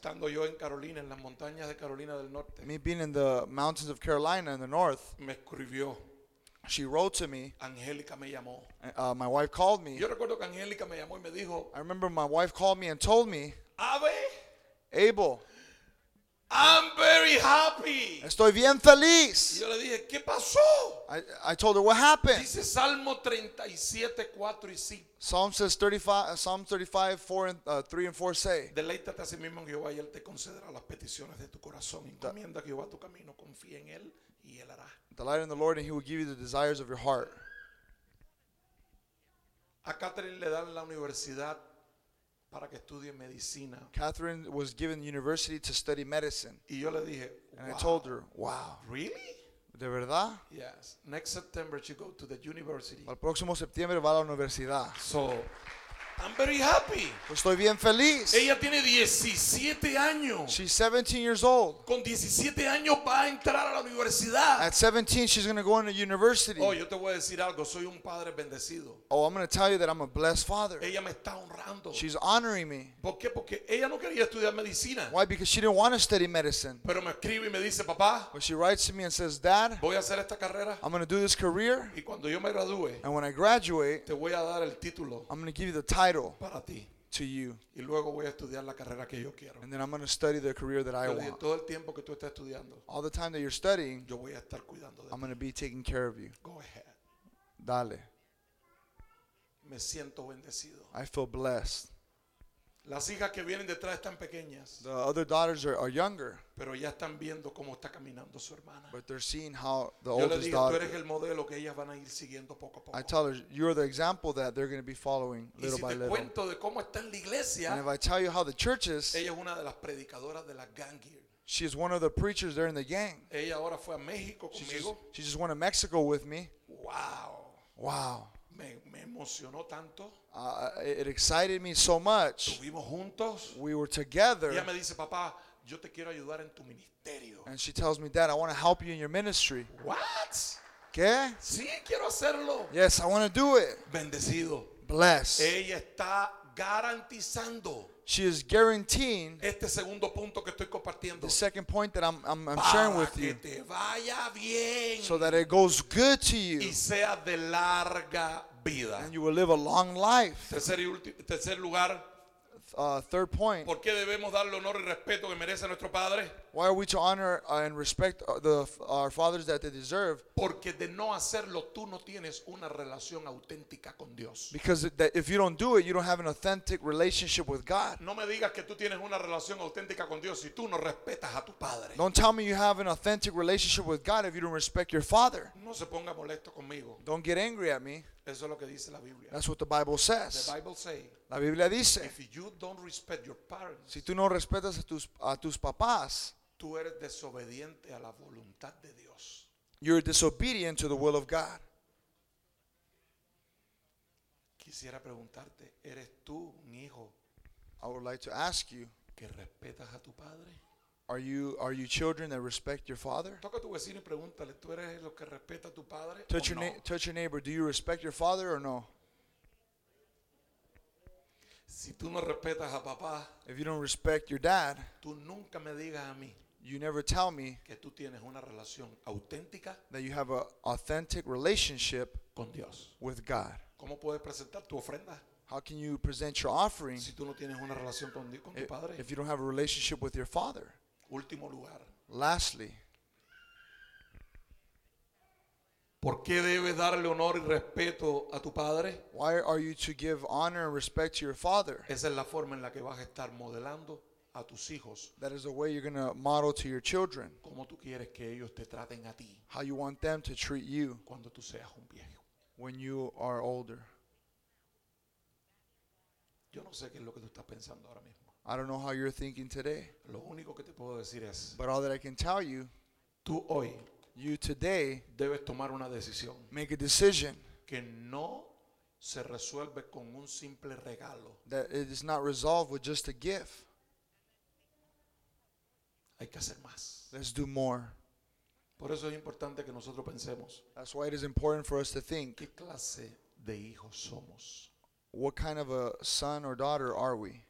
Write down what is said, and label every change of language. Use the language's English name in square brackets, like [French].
[Spanish] Estando yo en Carolina, en las montañas de Carolina del Norte. [English] Me being in the mountains of Carolina in the north. [Spanish] Me escribió. [English] She wrote to me. [Spanish] Angélica me llamó. [English] My wife called me. [Spanish] Yo recuerdo que Angélica me llamó y me dijo. [English] I remember my wife called me and told me. [Spanish] Ave. [English] Abel. I'm very happy. [Spanish] Estoy bien feliz. Yo le dije, ¿qué pasó? [English] I told her what happened. [Spanish] Dice Salmo 37, 4 y 5. [English] Psalm 35, 3 and 4 say. [Spanish] Deleítate a sí mismo en Jehová y Él te concederá las peticiones de tu corazón. Encomienda a Jehová tu camino, confía en Él y Él hará. [English] Delight in the Lord and He will give you the desires of your heart. [Spanish] A Catherine le dan la universidad. Para que estudie medicina. [English] Catherine was given university to study medicine. [Spanish] Y yo le dije, [English] and wow. I told her, wow. Really? [Spanish] ¿De verdad? [English] Yes. Next September she go to the university. [Spanish] Al próximo septiembre va a la universidad. [English] So, I'm very happy. [Spanish] Pues estoy bien feliz. Ella tiene 17 años. [English] She's 17 years old. [Spanish] Con 17 años va a entrar a la universidad. [English] At 17 she's going to go into university. [Spanish] Oh, yo te voy a decir algo. Soy un padre bendecido. [English] Oh, I'm going to tell you that I'm a blessed father. [Spanish] Ella me está honrando. [English] She's honoring me. [Spanish] ¿Por qué? Porque ella no quería estudiar medicina. [English] Why? Because she didn't want to study medicine. [Spanish] Pero me escribe y me dice, papá. [English] But she writes to me and says, Dad. [Spanish] Voy a hacer esta carrera. [English] I'm going to do this career. [Spanish] Y cuando yo me gradúe. [English] And when I graduate. [Spanish] Te voy a dar el título. [English] I'm going to give you the title. [Spanish] Para ti. [English] To you. [Spanish] Y luego voy a estudiar la carrera que yo quiero. [English] And then I'm going to study the career that [Spanish] yo [English] I want. [Spanish] Todo el tiempo que tú estás estudiando, [English] all the time that you're studying, [Spanish] yo voy a estar cuidando de [English] I'm [Spanish] ti. [English] Going to be taking care of you. Go ahead. [Spanish] Dale. Me siento bendecido. [English] I feel blessed. [Spanish] Las hijas que vienen detrás están pequeñas. [English] The other daughters are younger. [Spanish] Pero ya están viendo cómo está caminando su hermana. [English] But they're seeing how the oldest daughter. [Spanish] Yo le digo, tú eres el modelo que ellas van a ir siguiendo poco a poco. [English] I tell her, you're the example that they're going to be following little by little. [Spanish] Y si te cuento de cómo está en la iglesia. [English] And if I tell you how the church is. [Spanish] Ella es una de las predicadoras de la [English] gang here. She is one of the preachers there in the gang. [Spanish] Ella ahora fue a México conmigo. [English] She just went to Mexico with me. Wow. Wow. [Spanish] Me emocionó tanto. [English] It excited me so much. [Spanish] Estuvimos juntos. [English] We were together. [Spanish] Y ella me dice, papá, yo te quiero ayudar en tu ministerio. [English] And she tells me, Dad, I want to help you in your ministry. What? [Spanish] ¿Qué? Sí, quiero hacerlo. [English] Yes, I want to do it. [Spanish] Bendecido. [English] Blessed. [Spanish] Ella está garantizando. [English] She is guaranteeing [Spanish] este segundo punto que estoy compartiendo. [English] The second point that I'm sharing with you. [Spanish] Te vaya bien. [English] So that it goes good to you. [Spanish] Y sea de larga vida. [English] And you will live a long life. [Spanish] Tercer lugar. [English] Third point. [Spanish] ¿Por qué debemos darle honor y respeto que merece nuestro padre? [English] Why are we to honor and respect our fathers that they deserve? [Spanish] Porque de no hacerlo tú no tienes una relación auténtica con Dios. [English] Because if you don't do it, you don't have an authentic relationship with God. [Spanish] No me digas que tú tienes una relación auténtica con Dios si tú no respetas a tu padre. [English] Don't tell me you have an authentic relationship with God if you don't respect your father. [Spanish] No se ponga molesto conmigo. [English] Don't get angry at me. [Spanish] Eso es lo que dice la Biblia. [English] That's what the Bible says. The Bible say, [Spanish] la Biblia dice, [English] if you don't respect your parents, [Spanish] si tú no respetas a tus papás, tú eres desobediente a la voluntad de Dios. [English] You're disobedient to the will of God. [Spanish] Quisiera preguntarte, ¿eres tú un hijo? [English] I would like to ask you, [Spanish] ¿que respetas a tu padre? [English] Are you children that respect your father? [Spanish] Toca tu vecino y pregúntale, ¿tú eres lo que respeta a tu padre? [English] Touch your neighbor, do you respect your father or no? [Spanish] Si tú no respetas a papá, [English] if you don't respect your dad, [Spanish] tú nunca me digas a mí, [English] you never tell me, [Spanish] que tú tienes una relación auténtica, [English] that you have an authentic relationship [Spanish] con Dios, [English] with God. [Spanish] ¿Cómo puedes presentar tu ofrenda? [English] How can you present your offering [Spanish] si tú no tienes una relación con tu padre? [English] If you don't have a relationship with your father? [Spanish] Último lugar. [English] Lastly, [Spanish] ¿por qué debes darle honor y respeto a tu padre? [English] Why are you to give honor and respect to your father? [Spanish] Esa es la forma en la que vas a estar modelando a tus hijos. [English] That is the way you're going to model to your children. [Spanish] ¿Cómo tú quieres que ellos te traten a ti? [English] How you want them to treat you. [Spanish] Cuando tú seas un viejo. [English] When you are older. [Spanish] Yo no sé qué es lo que tú estás pensando ahora mismo. [English] I don't know how you're thinking today. [Spanish] Lo único que te puedo decir es, [English] but all that I can tell you, [Spanish] tú hoy, [English] you today, [Spanish] debes tomar una decisión, [English] make a decision [Spanish] que no se resuelve con un simple regalo. [English] That it is not resolved with just a gift. [Spanish] Hay que hacer más. [English] Let's do more. [Spanish] Por eso es importante que nosotros pensemos. [English] That's why it is important for us to think. [Spanish] ¿Qué clase de hijos somos? [English] What kind of a son or daughter are we?